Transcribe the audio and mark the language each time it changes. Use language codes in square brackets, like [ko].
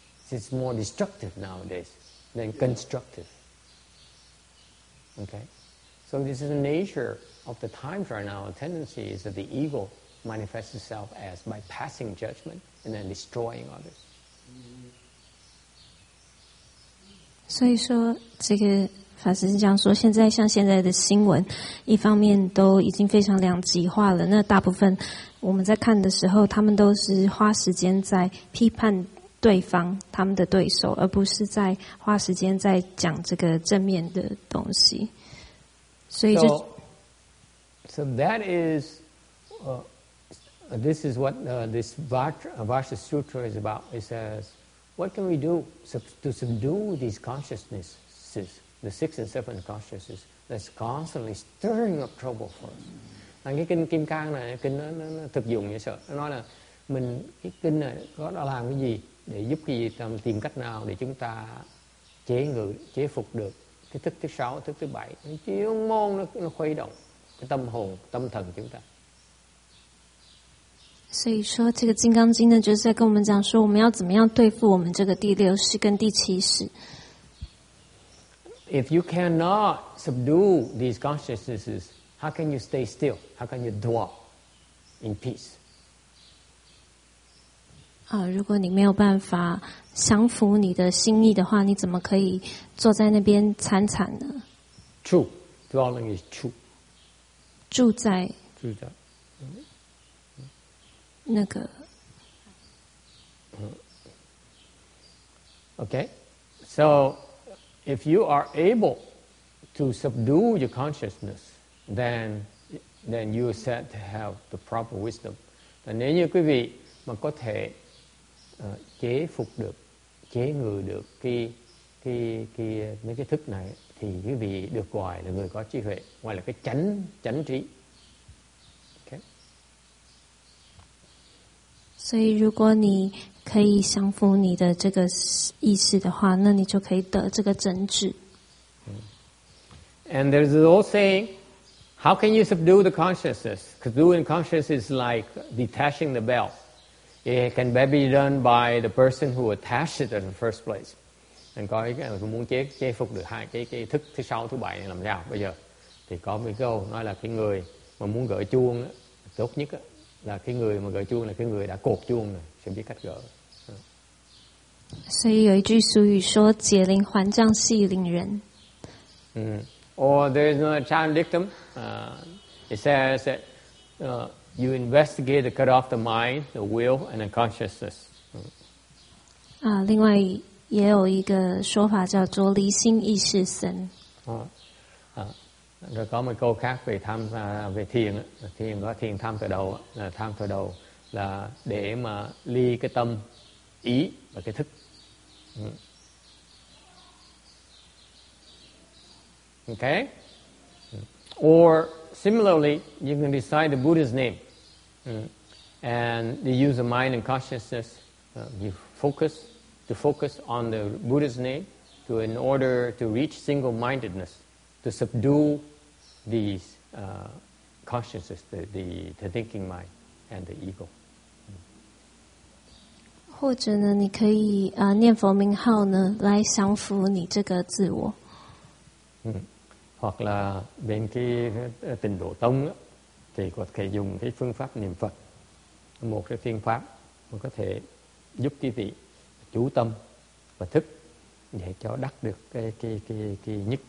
[en] It's more destructive nowadays than constructive. Okay? So this is the nature of the times right now. The tendency is that the ego manifests itself as by passing judgment and then destroying others. [zh] 所以说这个法师是这样说，现在像现在的新闻一方面都已经非常两极化了，那大部分我们在看的时候他们都是花时间在批判对方他们的对手，而不是在花时间在讲这个正面的东西，所以就 [en] so that is this is what this Vajra Sutra is about. It says what can we do to subdue these consciousnesses,the six and seven consciousness that's constantly stirring up trouble for us. And [vi] cái kinh Kim Cang này, cái kinh nó thực dụng như sợ. Nó nói là mình cái kinh này có đã làm cái gì để giúp cái gì, tìm cách nào để chúng ta chế ngự, chế phục được cái thức thứ sáu, thức thứ bảy. Chuyên môn nó khuấy động cái tâm hồn, tâm thần chúng ta. [zh] 所以说这个金刚经呢，就是在跟我们讲说我们要怎么样对付我们这个第六识跟第七识。 [en] If you cannot subdue these consciousnesses, how can you stay still? How can you dwell in peace? [zh] 如果你没有办法降服你的心意的话，你怎么可以坐在那边参禅呢？ [en] True. Dwelling is true. [zh] 住在。那个。 [en] Okay. So... If you are able to subdue your consciousness, then you are said to have the proper wisdom. And [vi] nếu như quý vị mà có thể chế phục được, chế ngự được cái mấy cái thức này, thì quý vị được gọi là người có trí huệ, gọi là cái chánh trí. [en] Okay. [zh] 所以如果你可以降服你的这个意识的话，那你就可以得这个真智。 [en] And there's an old saying, how can you subdue the consciousness? Subduing consciousness is like detaching the bell. It can better be done by the person who attached it in the first place. And [vi] có ý kiến là muốn chế phục được hai cái thức thứ sáu, thứ bảy làm sao bây giờ? Thì có một câu nói là cái người mà muốn gỡ chuông tốt nhất là cái người mà gỡ chuông là cái người đã cột chuông rồi. [zh] 所以有一句俗语说解铃还将系铃人。 [en] Or there is another Chan dictum. It says that you investigate to cut off the mind, the will, and the consciousness. [zh] 另外也有一个说法叫做离心意识生。 [vi] rồi có một câu khác về tham về thiền thiền có thiền tham khởi đầu là tham khởi đầu là để mà ly cái tâm ý và cái thức [en] okay or similarly you can decide the Buddha's name and you use the mind and consciousness you focus on the Buddha's name to in order to reach single-mindedness to subdue these consciousness the thinking mind and the ego [zh] 或者呢你可以念佛名号呢来降服你这个自我 [vi] hoặc là bên cái tịnh độ tông thì có thể dùng cái phương pháp niệm Phật một cái phương pháp mà có thể giúp quý vị chú tâm và thức để cho đắc được cái